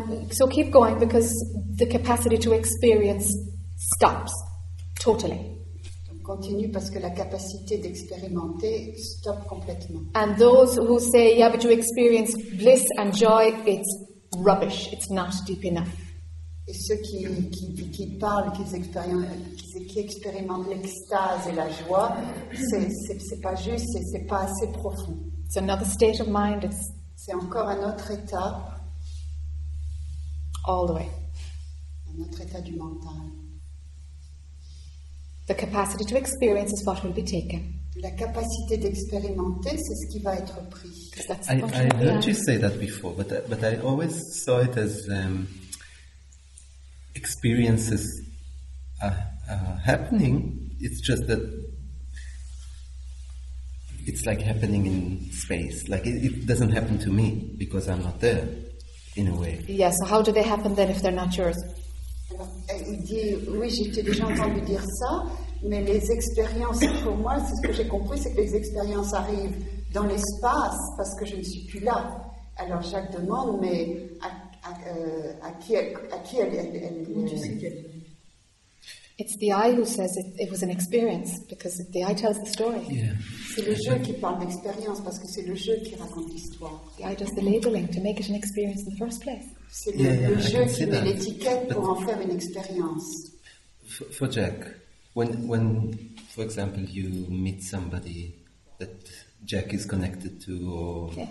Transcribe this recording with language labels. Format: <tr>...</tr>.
<en>So keep going because the capacity to experience stops totally.</en> <fr>Continue parce que la capacité d'expérimenter stop complètement.</fr> <en>And those who say, yeah, but you experience bliss and joy, it's rubbish, it's not deep enough.</en> <fr>Et ceux qui parlent, qui expérimentent l'extase et la joie, c'est pas juste, c'est pas assez profond.</fr> <en>It's another state of mind.</en> <fr>C'est encore un autre état.</fr> <en>All the way.</en> <fr>Un autre état du mental.</fr> <en>The capacity to experience is what will be taken.</en> <fr>La capacité d'expérimenter, c'est ce qui va être pris.</fr> <en>I heard you say that before, but I always saw it as experiences happening. It's just that it's like happening in space. Like it doesn't happen to me because I'm not there, in a way. Yeah, so how do they happen then if they're not yours?</en> <fr>Il dit, oui, j'ai déjà entendu dire ça, mais les expériences, pour moi, c'est ce que j'ai compris, c'est que les expériences arrivent dans l'espace parce que je ne suis plus là. Alors Jacques demande, mais à qui elle Où tu sais qu'elle est?</fr> <en>It's the eye who says it was an experience because the eye tells the story. Yeah.</en> <fr>C'est le jeu qui parle d'expérience parce que c'est le jeu qui raconte l'histoire.</fr> <en>The eye does the labeling to make it an experience in the first place.</en> <fr>C'est le jeu qui met l'étiquette pour en faire une expérience.</fr> <en>For Jack, when for example you meet somebody that Jack is connected to, or</en>